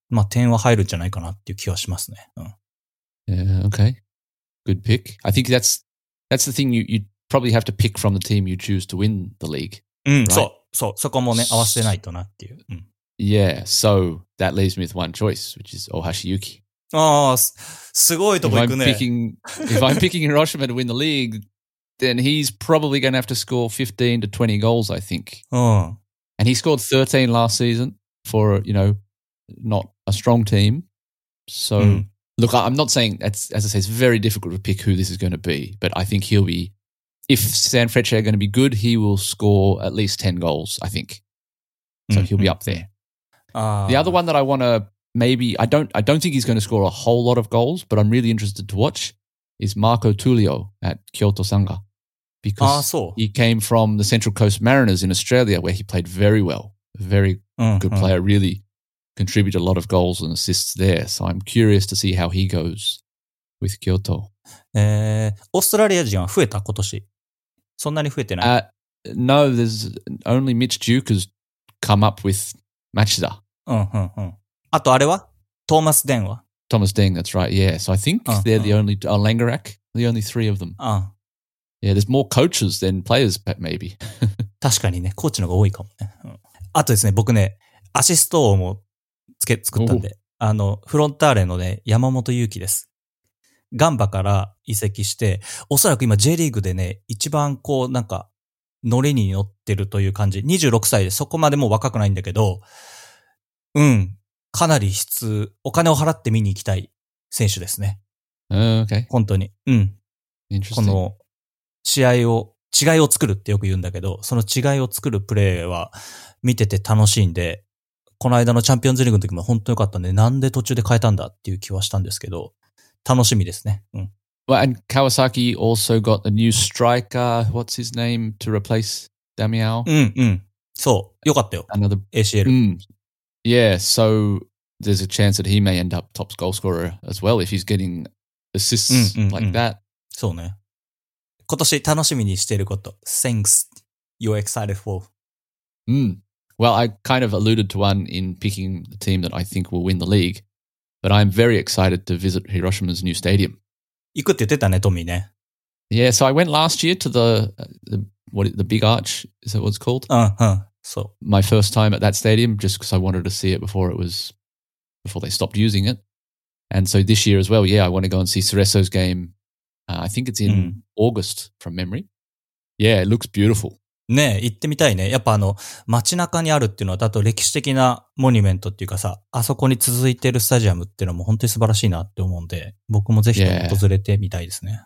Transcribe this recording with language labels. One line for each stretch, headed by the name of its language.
Japanese: まあ、点は入るんじゃないかなっていう気はしますね。うん。
English: Yeah, okay. Good pick. I think that's the thing you probably have to pick from the team you choose to win the league. うん、right?
Japanese: そう、そう、そこもね、合わせないとなっていう。うん。
English: Yeah, so that leaves me with one choice, which is Ohashi Yuki.
Japanese: ああ、すごいとこ行くね。
English: If I'm picking Hiroshima to win the league, then he's probably going to have to score 15 to 20 goals, I think. うん。 And he scored 13 last season for, you know, not a strong team. So,、うん、look, I'm not saying, as I say, it's very difficult to pick who this is going to be, but I think he'll be, if San Freche are going to be good, he will score at least 10 goals, I think. So、うん、he'll be up there.、The other one that I want to maybe, I don't think he's going to score a whole lot of goals, but I'm really interested to watch, is Marco Tullio at Kyoto Sanga. Because he came from the Central Coast Mariners in Australia, where he played very well. Very good player, really contributed a lot of goals and assists there. So I'm curious to see how he goes with Kyoto.
Japanese: Australia 人は増えた今年。そんなに増えてない。
English: No, there's only Mitch Duke has come up with Machida.
Japanese: あとあれは?Thomas Deng は?
English: Thomas Deng, that's right. Yeah, so I think they're the only, Langerak, the only three of them. Yeah, there's more coaches than players, maybe.
Japanese: 確かにね、コーチの方が多いかもね。あとですね、僕ね、アシスト王も作ったんで、あの、フロンターレのね、山本勇輝です。ガンバから移籍して、おそらく今 J リーグでね、一番こう、なんか、乗りに乗ってるという感じ。 26歳でそこまでもう若くないんだけど、うん、かなり質、お金を払って見に行きたい選手ですね。
English: Okay.
Japanese: 本当に。うん。
English: Interesting.
Japanese: この試合を、違いを作るってよく言うんだけど、その違いを作るプレーは見てて楽しいんで、この間のチャンピオンズリーグの時も本当によかったんで、なんで途中で変えたんだっていう気はしたんですけど、楽しみですね。うん。
English: Well, and Kawasaki also got a new striker. What's his name to replace Damião?
Japanese: うん、うん。そう。よかったよ。
English: Another... ACL。うん。 Yeah, so there's a chance that he may end up top goal scorer as well if he's getting assists うんうん、うん、like that.
Japanese: そうね。今年楽しみにしていること。
English: Thanks, you're excited for. Mm. Well, I kind of alluded to one in picking the team that I think will win the league, but I'm very excited to visit Hiroshima's new stadium.
Japanese: 行くって言ってたね、トミーね。
English: Yeah, so I went last year to the big arch, is that what it's called? Uh-huh, so. My first time at that stadium, just because I wanted to see it before they stopped using it. And so this year as well, yeah, I want to go and see Cerezo's game. I think it's in、うん、August from memory. Yeah, it looks beautiful.
Japanese: ねえ、行ってみたいね。やっぱあの、街中にあるっていうのは、だと歴史的なモニュメントっていうかさ、あそこに続いてるスタジアムっていうのも本当に素晴らしいなって思うんで、僕もぜひ訪れてみたいですね。